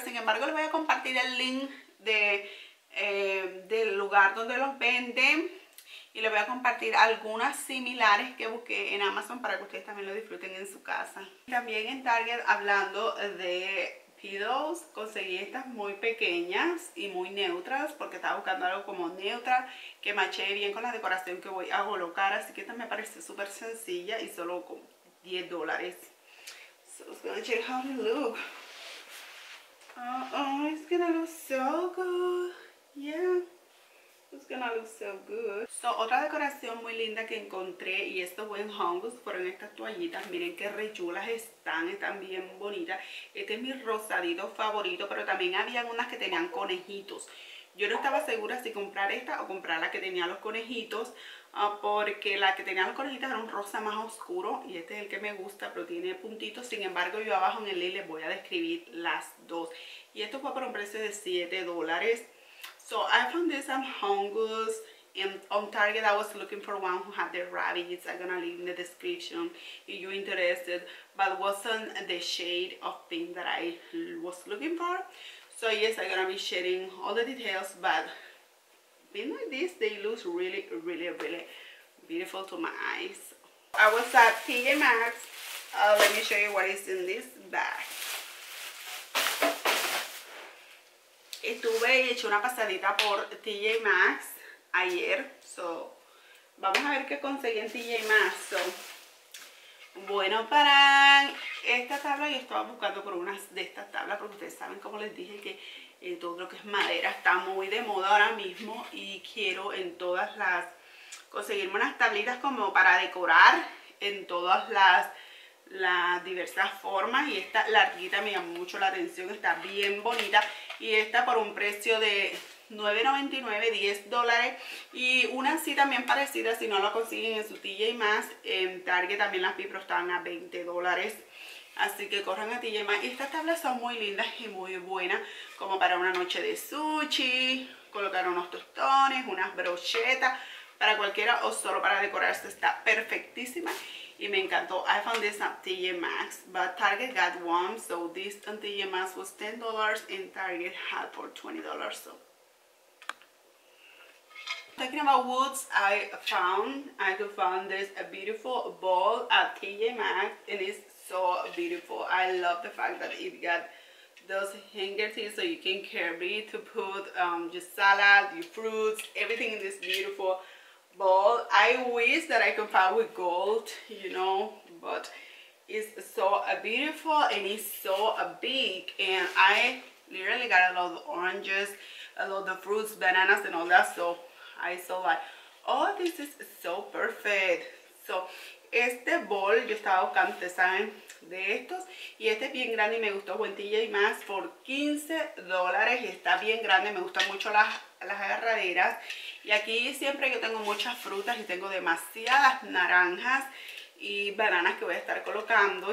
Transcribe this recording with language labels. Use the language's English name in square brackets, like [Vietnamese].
[Spanish] Sin embargo, les voy a compartir el link del lugar donde los venden y les voy a compartir algunas similares que busqué en Amazon para que ustedes también lo disfruten en su casa. También en Target, hablando de pillows, conseguí estas muy pequeñas y muy neutras porque estaba buscando algo como neutra que maché bien con la decoración que voy a colocar. Así que esta me parece súper sencilla y solo con $10. [English] So let's go and check how they look. Oh, it's gonna look so good. Yeah, it's gonna look so good. [Spanish] So, otra decoración muy linda que encontré, y esto fue en Home Goods, fueron estas toallitas. Miren qué re chulas están, están bien bonitas. Este es mi rosadito favorito, pero también habían unas que tenían conejitos. Yo no estaba segura si comprar esta o comprar la que tenía los conejitos, porque la que tenía los conejitos era un rosa más oscuro y este es el que me gusta, pero tiene puntitos. Sin embargo, yo abajo en el link les voy a describir las dos. Y esto fue por un precio de $7. [English] So, I found this at Home Goods and on Target. I was looking for one who had the rabbits. I'm gonna leave in the description if you're interested, but wasn't the shade of pink that I was looking for. So yes, I'm gonna be sharing all the details, but being like this, they look really, really, really beautiful to my eyes. I was at TJ Maxx. Let me show you what is in this bag. [Spanish] Estuve y eché una pasadita por TJ Maxx ayer. So, vamos a ver qué conseguí en TJ Maxx. So, bueno, para esta tabla, yo estaba buscando por unas de estas tablas, porque ustedes saben, como les dije, que todo lo que es madera está muy de moda ahora mismo y quiero en todas las, conseguirme unas tablitas como para decorar en todas las diversas formas. Y esta larguita me llamó mucho la atención, está bien bonita y está por un precio de $9.99, $10. Y una así también parecida, si no la consiguen en su TJ Maxx, en Target también las vi, pero estaban a $20. Así que corran a TJ Maxx. Y estas tablas son muy lindas y muy buenas, como para una noche de sushi, colocar unos tostones, unas brochetas, para cualquiera o solo para decorarse. Está perfectísima y me encantó. [English] I found this at TJ Maxx, but Target got one, so this on TJ Maxx was $10 and Target had for $20, so. Talking about woods, I found this beautiful ball at TJ Maxx, and it's so beautiful. I love the fact that it got those hanger things so you can carry to put your salad, your fruits, everything in this beautiful ball. I wish that I could find with gold, you know, but it's so beautiful and it's so big, and I literally got a lot of oranges, a lot of fruits, bananas and all that, so I saw like, oh, this is so perfect. [Spanish] So, este bol, yo estaba buscando, ustedes saben, de estos. Y este es bien grande y me gustó, buen TJ Maxx, por $15. Y está bien grande, me gustan mucho las agarraderas. Y aquí siempre yo tengo muchas frutas y tengo demasiadas naranjas y bananas que voy a estar colocando.